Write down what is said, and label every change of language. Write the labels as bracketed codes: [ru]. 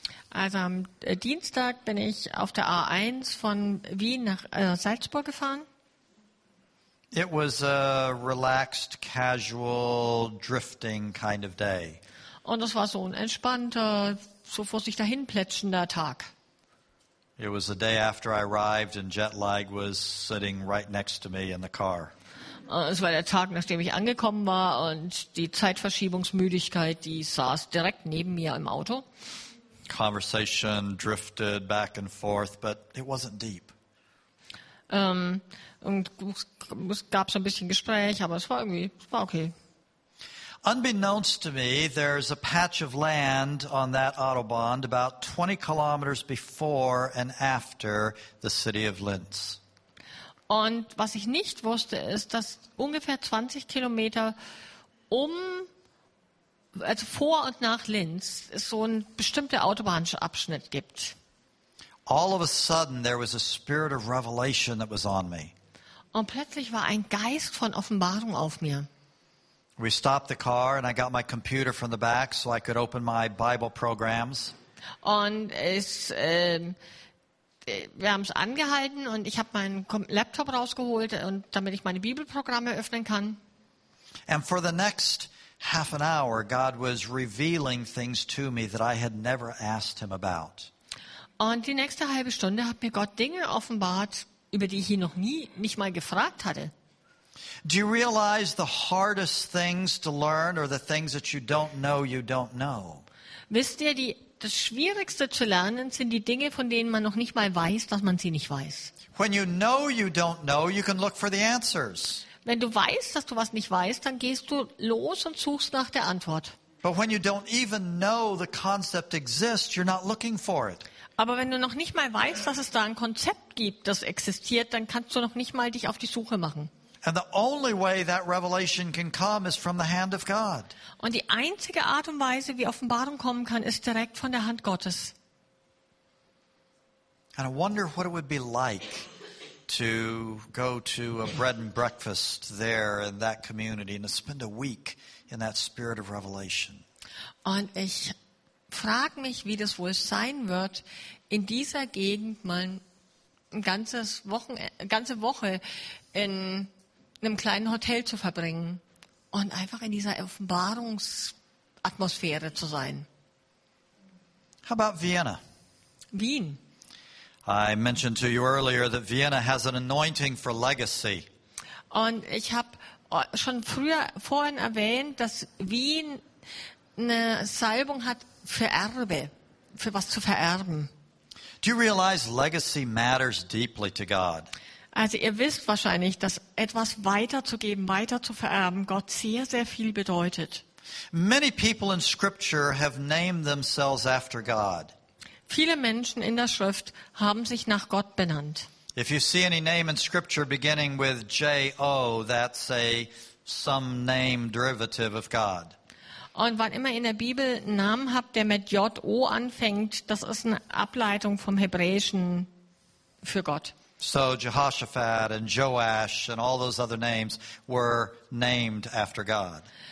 [de] Also am Dienstag bin ich auf der A1 von Wien nach Salzburg gefahren. [en] It was a relaxed, casual, drifting kind of day. [de] Und es war so ein entspannter, so vor sich dahin plätschender Tag. [en] It was the day after I arrived and jet lag was sitting right next to me in the car. [de] Es war der Tag, nachdem ich angekommen war und die Zeitverschiebungsmüdigkeit, die saß direkt neben mir im Auto. [en] Conversation drifted back and forth, but it wasn't deep. [de] Und es gab so ein bisschen Gespräch, aber es war okay. [en] Unbeknownst to me, there's a patch of land on that Autobahn about 20 kilometers before and after the city of Linz. [de] Und was ich nicht wusste, ist, dass ungefähr 20 Kilometer also vor und nach Linz es so einen bestimmten Autobahnabschnitt gibt. [en] All of a sudden there was a spirit of revelation that was on me. [de] Und plötzlich war ein Geist von Offenbarung auf mir. [en] We stopped the car and I got my computer from the back so I could open my Bible programs. [de] Und wir haben es angehalten und ich habe meinen Laptop rausgeholt und damit ich meine Bibelprogramme öffnen kann. [en] And for the next half an hour, God was revealing things to me that I had never asked him about. [de] Und die nächste halbe Stunde hat mir Gott Dinge offenbart, über die ich ihn noch nie, nicht mal gefragt hatte. [en] Do you realize the hardest things to learn are the things that you don't know you don't know? [de] Wisst ihr, das Schwierigste zu lernen sind die Dinge, von denen man noch nicht mal weiß, dass man sie nicht weiß. [en] When you know you don't know, you can look for the answers. [de] Wenn du weißt, dass du was nicht weißt, dann gehst du los und suchst nach der Antwort. [en] But when you don't even know the concept exists, you're not looking for it. [de] Aber wenn du noch nicht mal weißt, dass es da ein Konzept gibt, das existiert, dann kannst du noch nicht mal dich auf die Suche machen. [en] And the only way that revelation can come is from the hand of God. [de] Und die einzige Art und Weise, wie Offenbarung kommen kann, ist direkt von der Hand Gottes. [en] And I wonder what it would be like to go to a bread and breakfast there in that community and to spend a week in that spirit of revelation. [de] Und ich frage mich, wie das wohl sein wird, in dieser Gegend mal ganze Woche in einem kleinen Hotel zu verbringen und einfach in dieser Offenbarungsatmosphäre zu sein. [en] How about Vienna? [de] Wien. [en] I mentioned to you earlier that Vienna has an anointing for legacy. [de] Und ich habe schon vorhin erwähnt, dass Wien eine Salbung hat für Erbe, für was zu vererben. [en] Do you realize legacy matters deeply to God? [de] Also ihr wisst wahrscheinlich, dass etwas weiterzugeben, weiter zu vererben, Gott sehr, sehr viel bedeutet. [en] Many people in Scripture have named themselves after God. [de] Viele Menschen in der Schrift haben sich nach Gott benannt. [en] If you see any name in Scripture beginning with J-O, that's some name derivative of God. [de] Und wann immer in der Bibel einen Namen habt, der mit J-O anfängt, das ist eine Ableitung vom Hebräischen für Gott. [en] So Jehoshaphat and Joash and all those other names were named after God.